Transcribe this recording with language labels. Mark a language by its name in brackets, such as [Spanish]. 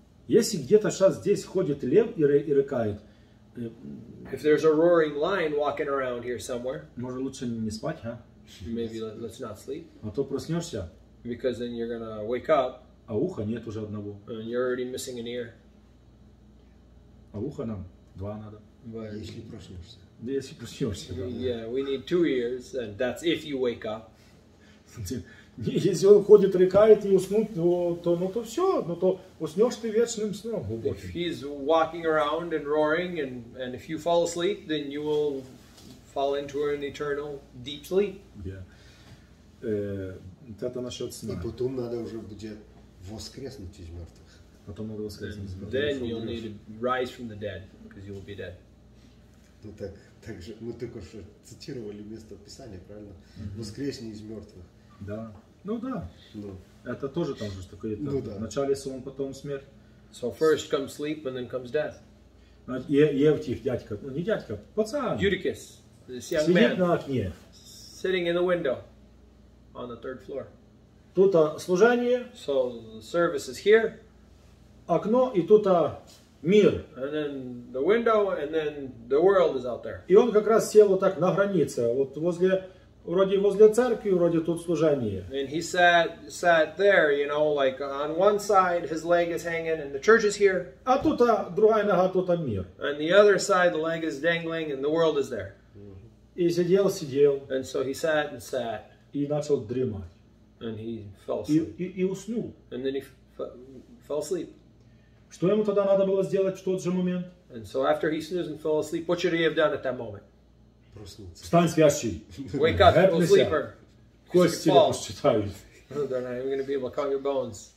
[Russian] Если где-то сейчас здесь ходит лев и рыкает, [English] if there's a roaring lion walking around here somewhere, [Russian] может лучше не спать, а? [English] Maybe let's not sleep. [Russian] А то проснешься. [English] Because then you're gonna wake up. [Russian] А уха нет уже одного. [English] And you're already missing an ear. [Russian] А уха нам два надо. But если проснешься. Да, если проснешься. [English] Yeah, we need two ears, and that's if you wake up. [Russian] Если он ходит, рыкает и уснут, то все, ну то уснешь ты вечным сном. [English] If he's walking around and roaring, and if you fall asleep, then you will fall into an eternal deep sleep. [Russian] Yeah. Это насчет сна. И потом надо уже будет воскреснуть из мертвых. Потом надо воскреснуть из мертвых. [English] And then you'll need to rise from the dead, because you will be dead. [Russian] Ну так, также мы только что цитировали место Писания, правильно? Воскресни из мертвых. Да. Ну да. Ну. Это тоже там же такое. Ну, да. В начале сон, потом смерть. [English] So first comes sleep and then comes death. [Russian] Евтих, дядька. Ну не дядька, пацан. [English] Eutychus, this young [Russian] сидит [English] man, [Russian] на окне. [English] Sitting in the window on the third floor. [Russian] Тут служение. [English] So the service is here. [Russian] Окно и тут мир. [English] And then the window and then the world is out there. [Russian] И он как раз сел вот так на границе, вот возле. Вроде возле церкви, вроде тут служение. [English] And he sat there, you know, like on one side his leg is hanging and the church is here. [Russian] А тут другая нога, тут мир. [English] And the other side the leg is dangling and the world is there. [Russian] И сидел. [English] And so he sat and sat. [Russian] И начал дремать. [English] And he fell asleep. [Russian] И уснул. [English] And then he fell asleep. [Russian] Что ему тогда надо было сделать в тот же момент? [English] And so after he snoozed and fell asleep, what should he have done at that moment? [Russian] Встань, спящий. [English] Wake up, little sleeper. [Russian] Кости не посчитают. [English] They're not even going to be able to count your bones.